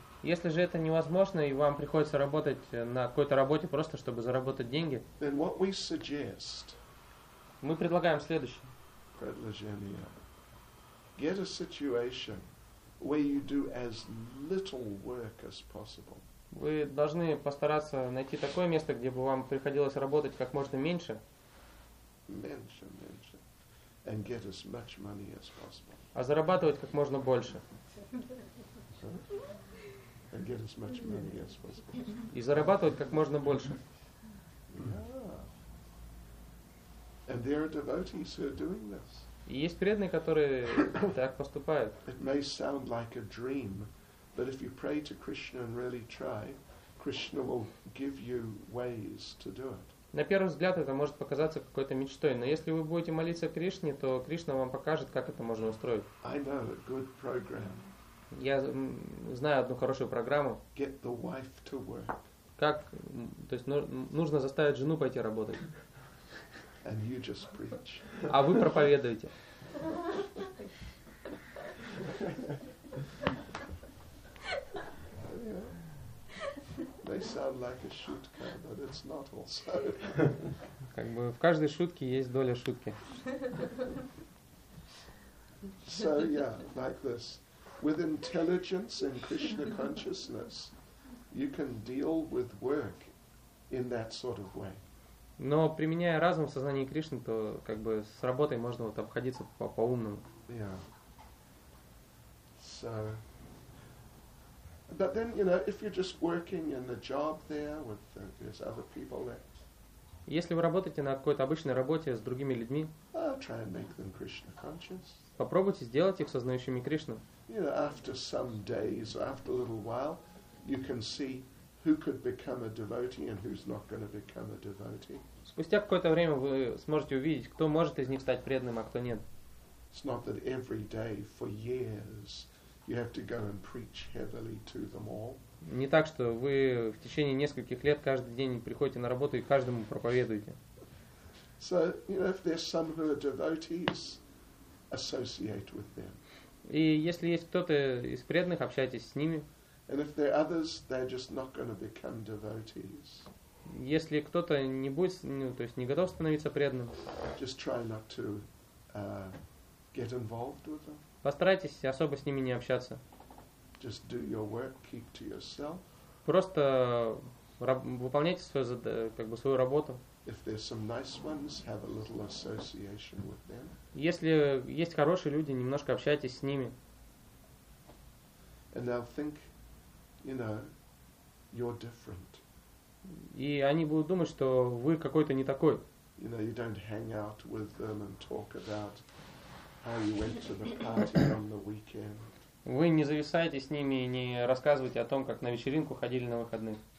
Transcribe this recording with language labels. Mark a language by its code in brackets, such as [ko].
[ru] Если же это невозможно и вам приходится работать на какой-то работе просто чтобы заработать деньги. [en] Then what we suggest? [ru] Мы предлагаем следующее. Предложение. [en] Get a situation where you do as little work as possible. [ru] Вы должны постараться найти такое место, где бы вам приходилось работать как можно меньше. Меньше. [en] And get as much money as possible. [ru] А зарабатывать как можно больше. [en] Huh? And get as much money as possible. [ru] И зарабатывать как можно больше. [en] Yeah. And there are devotees who are doing this. [ru] И есть преданные, которые так поступают. [en] It may sound like a dream, but if you pray to Krishna and really try, Krishna will give you ways to do it. [ru] На первый взгляд это может показаться какой-то мечтой, но если вы будете молиться Кришне, то Кришна вам покажет, как это можно устроить. [en] I know a good program. [ru] Я знаю одну хорошую программу. [en] Get the wife to work. [ru] Как, то есть нужно заставить жену пойти работать. [en] And you just preach. [ru] А вы проповедуете. [en] They sound like a shootka, but it's not also. [ru] Как бы в каждой шутке есть доля шутки. [en] So yeah, like this. With intelligence and Krishna consciousness, you can deal with work in that sort of way. [ru] Но применяя разум в сознании Кришны, то как бы с работой можно вот обходиться по-умному. [en] Yeah. So, but then, you know, if you're just working in the job there with there's other people that [ru] Если вы работаете на какой-то обычной работе с другими людьми, [en] I'll try and make them Krishna conscious. [ru] Попробуйте сделать их сознающими Кришну. [en] You know, after some days, after a little while, you can see who could become a devotee and who's not going to become a devotee. [ru] Спустя какое-то время вы сможете увидеть, кто может из них стать преданным, а кто нет. [en] It's not that every day for years you have to go and preach heavily to them all. [ru] Не так, что вы в течение нескольких лет каждый день приходите на работу и каждому проповедуете. [en] So, you know, if there's some who are devotees, associate with them. [ru] И если есть кто-то из преданных, общайтесь с ними. [en] And if there are others, they're just not going to become devotees. [ru] Если кто-то не будет, ну, то есть не готов становиться преданным, [en] just try not to get involved with them. [ru] Постарайтесь особо с ними не общаться. [en] Just do your work, keep to yourself. [ru] Просто выполняйте свою, как бы, свою работу. [en] If there's some nice ones, have a little association with them. [ru] Если есть хорошие люди, немножко общайтесь с ними. [en] And they'll think, you know, you're different. [ru] И они будут думать, что вы какой-то не такой. [en] You know, you don't hang out with them and talk about how you went to the party on the weekend. [ru] Вы не зависаете с ними и не рассказываете о том, как на вечеринку ходили на выходных.